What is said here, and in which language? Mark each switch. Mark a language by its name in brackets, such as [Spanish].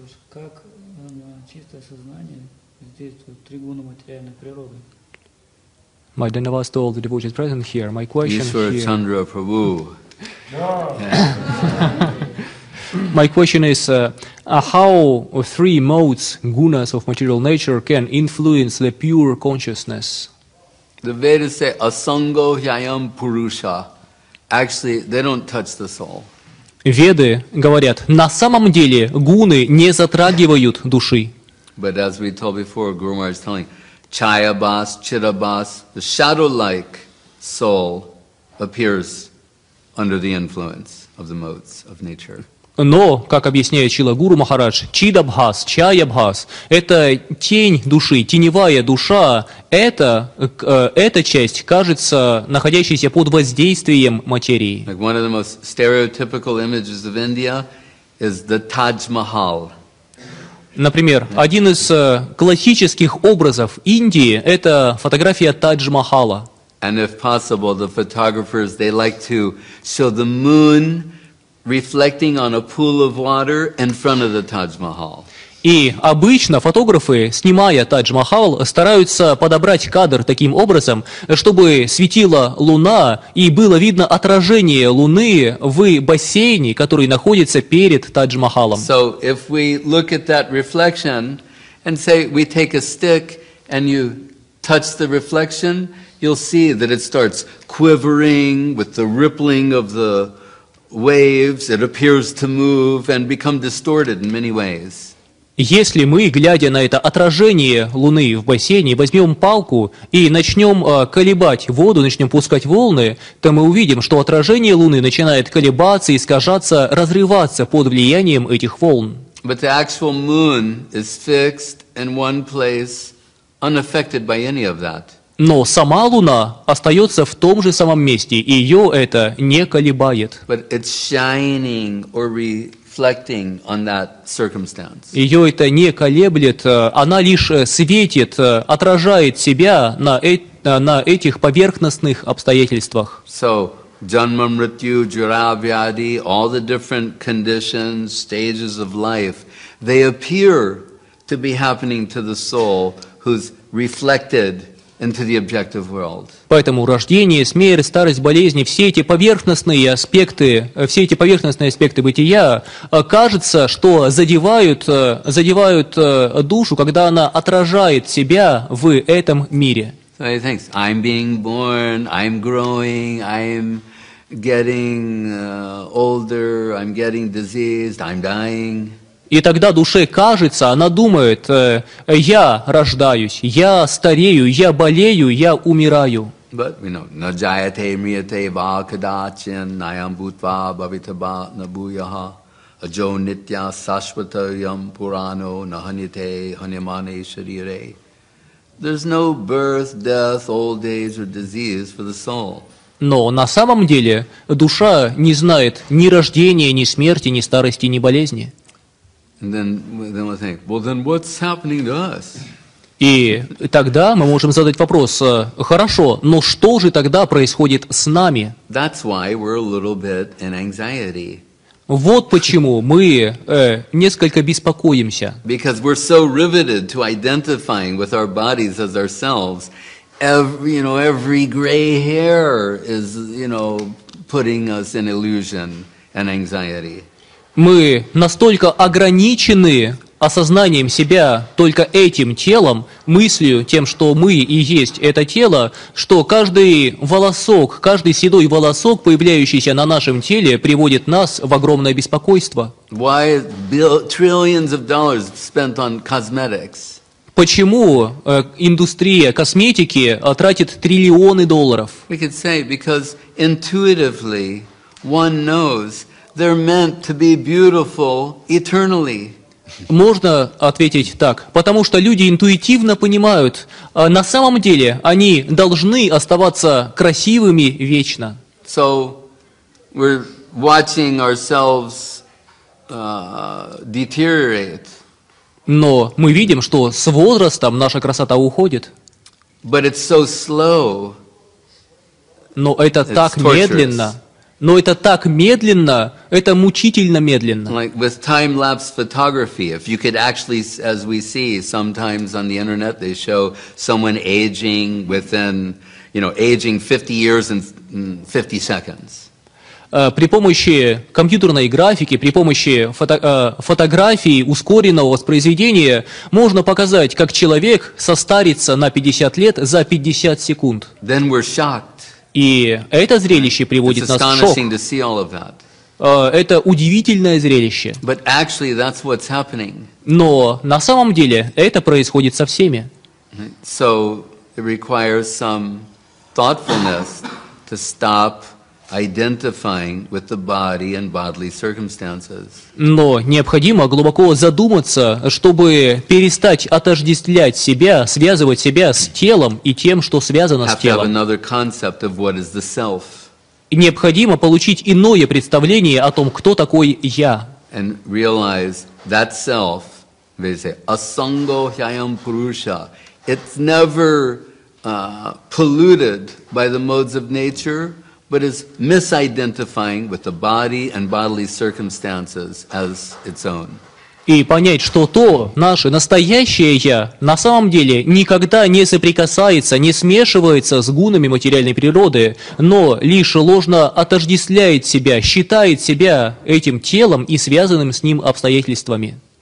[Russian] Как чистое сознание действует тригуна материальной природы? [English] My Dandavat to all the devotees present here. My question Ishwara here. Chandra Prabhu. My question is, how three modes, gunas of material nature, can influence the pure consciousness? The Vedas say [Sanskrit] asango hyayam purusha. [English] Actually, they don't touch the soul. [Russian] Веды говорят, на самом деле гуны не затрагивают души. [English] But as we told before, Guru Maharaj is telling, chayabas, chitabas, the shadow-like soul appears under the influence of the modes of nature. [Russian] Но, как объясняет Шрила Гуру Махарадж, чидабхас, чаябхас – это тень души, теневая душа, эта часть кажется находящейся под воздействием материи. [English] Like one of the most stereotypical images of India is the Taj Mahal. [Russian] Например, один из классических образов Индии – это фотография Тадж-Махала. [English] And if possible, the photographers, they like to show the moon reflecting on a pool of water in front of the Taj Mahal. [Russian] И обычно фотографы, снимая Тадж-Махал, стараются подобрать кадр таким образом, чтобы светила луна и было видно отражение луны в бассейне, который находится перед Тадж-Махалом. [English] So if we look at that reflection and say we take a stick and you touch the reflection, you'll see that it starts quivering with the rippling of the waves, it appears to move and become distorted in many ways. [Russian] Если мы, глядя на это отражение луны в бассейне, возьмем палку и начнем колебать воду, начнем пускать волны, то мы увидим, что отражение луны начинает колебаться, искажаться, разрываться под влиянием этих волн. [English] But the actual moon is fixed in one place, unaffected by any of that. [Russian] Но сама луна остается в том же самом месте, и ее это не колебает. [English] But it's shining or reflecting on that circumstance. [Russian] Ее это не колеблет, она лишь светит, отражает себя на этих поверхностных обстоятельствах. [English] So, [Sanskrit] janma mrityu, jara vyadi, [English] all the different conditions, stages of life, they appear to be happening to the soul who's reflected into the objective world. [Russian] Поэтому рождение, смерть, старость, болезни, все эти поверхностные аспекты бытия, кажется, что задевают душу, когда она отражает себя в этом мире. [English] So he thinks, I'm being born, I'm growing, I'm getting older, I'm getting diseased, I'm dying. [Russian] И тогда душе кажется, она думает, я рождаюсь, я старею, я болею, я умираю. [English] But, you know, [Sanskrit] на джаяте мрияте ва кадачин, наям бутва бхавитаба набуяха, аджо нитья сашватаям пурано, наханите ханимане шарире. [English] There's no birth, death, old age or disease for the soul. [Russian] Но на самом деле душа не знает ни рождения, ни смерти, ни старости, ни болезни. [English] And then we think, well, then what's happening to us? [Russian] И тогда мы можем задать вопрос: хорошо, но что же тогда происходит с нами? [English] That's why we're a little bit in anxiety. [Russian] Вот почему мы несколько беспокоимся. [English] Because we're so riveted to identifying with our bodies as ourselves, every gray hair is, putting us in illusion and anxiety. [Russian] Мы настолько ограничены осознанием себя только этим телом, мыслью, тем, что мы и есть это тело, что каждый седой волосок, появляющийся на нашем теле, приводит нас в огромное беспокойство. [English] Why trillions of dollars spent on cosmetics? [Russian] Почему индустрия косметики тратит триллионы долларов? [English] We could say, because intuitively one knows they're meant to be beautiful eternally. [Russian] Можно ответить так, потому что люди интуитивно понимают, на самом деле они должны оставаться красивыми вечно. [English] So we're watching ourselves deteriorate. [Russian] Но мы видим, что с возрастом наша красота уходит. [English] But it's so slow. [Russian] Но это [English] it's [Russian] так [English] torturous. [Russian] Медленно. Но это так медленно, это мучительно медленно. [English] Like with time-lapse photography, if you could actually, as we see sometimes on the internet, they show someone aging within, you know, aging 50 years and 50 seconds. [Russian] При помощи компьютерной графики, при помощи фотографии ускоренного воспроизведения можно показать, как человек состарится на 50 лет за 50 секунд. [English] Then we're shocked. [Russian] И это зрелище приводит [English] It's [Russian] нас в шок. [English] To see all of that. [Russian] Это удивительное зрелище. [English] But actually, that's what's happening. [Russian] Но на самом деле это происходит со всеми. [English] So it requires some thoughtfulness to stop identifying with the body and bodily circumstances. [Russian] Но необходимо глубоко задуматься, чтобы перестать отождествлять себя, связывать себя с телом и тем, что связано с телом. [English] Have another concept of what is the self. [Russian] Необходимо получить иное представление о том, кто такой я. [English] And realize that self, they say, [Sanskrit] asango hyam purusha. [English] It's never polluted by the modes of nature. But is misidentifying with the body and bodily circumstances as its own. [Russian] И понять, что то наше настоящее я на самом деле никогда не соприкасается, не смешивается с гунами материальной природы, но лишь ложно отождествляет себя, считает себя этим телом и связанным с ним обстоятельствами.